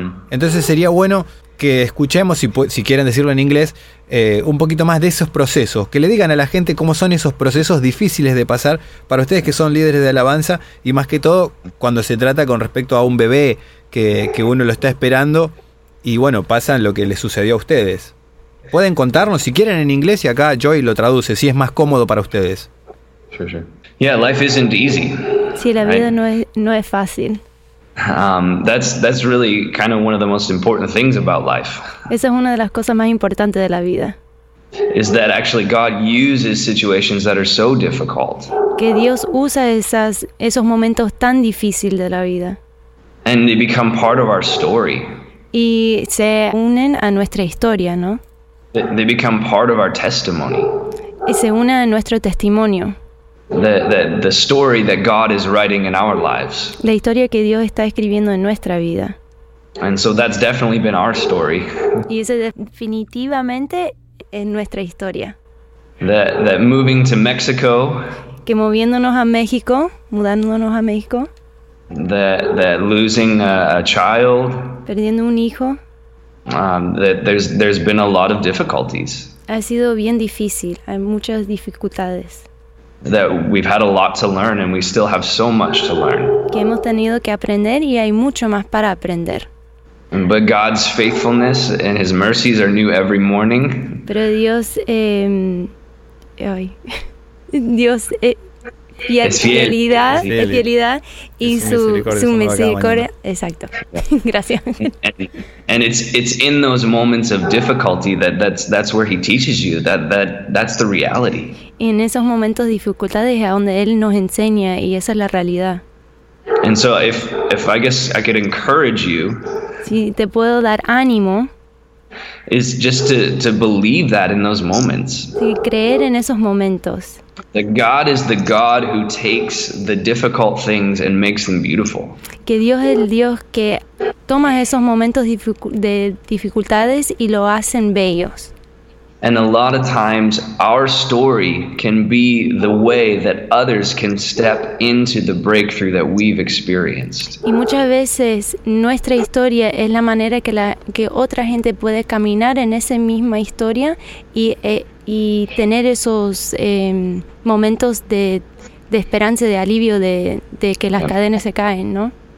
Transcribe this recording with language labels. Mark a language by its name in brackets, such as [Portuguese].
[Spanish] Entonces sería bueno que escuchemos, si quieren decirlo en inglés, un poquito más de esos procesos, que le digan a la gente cómo son esos procesos difíciles de pasar para ustedes que son líderes de alabanza, y más que todo cuando se trata con respecto a un bebé que uno lo está esperando y bueno, pasan lo que les sucedió a ustedes. Pueden contarnos si quieren en inglés y acá Joy lo traduce, si es más cómodo para ustedes. [English] Sure, sure. Yeah, life isn't easy. [Spanish] Sí, la vida no es fácil. [English] That's really kind of one of the most important things about life. [Spanish] Esa es una de las cosas más importantes de la vida. [English] Is that actually God uses situations that are so difficult. [Spanish] Que Dios usa esos momentos tan difíciles de la vida. [English] And they become part of our story. [Spanish] Y se unen a nuestra historia, ¿no? [English] They become part of our testimony. [Spanish] Y se unen a nuestro testimonio. [English] The story that God is writing in our lives. [Spanish] La historia que Dios está escribiendo en nuestra vida. [English] And so that's definitely been our story. [Spanish] Y eso definitivamente es nuestra historia. [English] That moving to Mexico. [Spanish] Que moviéndonos a México, mudándonos a México. [English] That losing a child. [Spanish] Perdiendo un hijo. [English] There's been a lot of difficulties. [Spanish] Ha sido bien difícil. Hay muchas dificultades. [English] That we've had a lot to learn and we still have so much to learn. [Spanish] Que hemos tenido que aprender y hay mucho más para aprender. [English] But God's faithfulness and His mercies are new every morning. [Spanish] Pero Dios, Dios fidelidad y su misericordia. Exacto. Gracias. [English] And it's in those moments of difficulty that's where He teaches you that's the reality. [Spanish] En esos momentos de dificultades es donde Él nos enseña y esa es la realidad. [English] And so if I guess I could encourage you. [Spanish] Si te puedo dar ánimo. [English] is just to believe that in those moments. [Spanish] Sí, creer en esos momentos. [English] That God is the God who takes the difficult things and makes them beautiful. [Spanish] Que Dios es el Dios que toma esos momentos de dificultades y lo hacen bellos. [English] And a lot of times, our story can be the way that others can step into the breakthrough that we've experienced. [Spanish] Y muchas veces nuestra historia es la manera que otra gente puede caminar en esa misma historia y tener esos momentos de esperanza, de alivio, de que las cadenas se caen, ¿no?